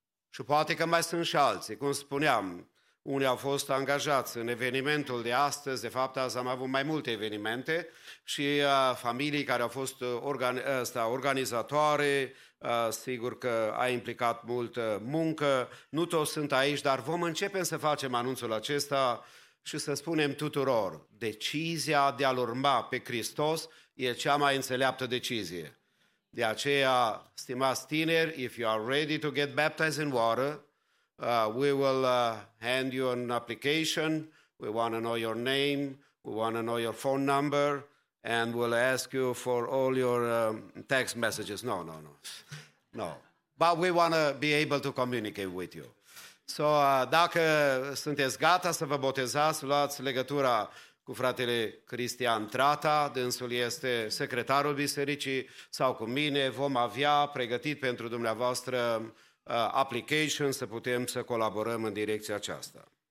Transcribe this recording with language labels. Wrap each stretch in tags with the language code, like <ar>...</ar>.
<ro>Și poate că mai sunt și alții, cum spuneam, unii au fost angajați în evenimentul de astăzi, de fapt azi am avut mai multe evenimente și familii care au fost organizatoare, sigur că a implicat multă muncă, nu toți sunt aici, dar vom începe să facem anunțul acesta și să spunem tuturor, decizia de a-L urma pe Hristos e cea mai înțeleaptă decizie. De aceea, stimați tineri,</ro> <en>if you are ready to get baptized in water, we will hand you an application, we want to know your name, we want to know your phone number, and we'll ask you for all your text messages. No, no, no. No. But we want to be able to communicate with you.</en> <ro>So, dacă sunteți gata să vă botezați, luați legătura cu fratele Cristian Trata, dânsul este secretarul bisericii, sau cu mine, vom avea pregătit pentru dumneavoastră application să putem să colaborăm în direcția aceasta.</ro>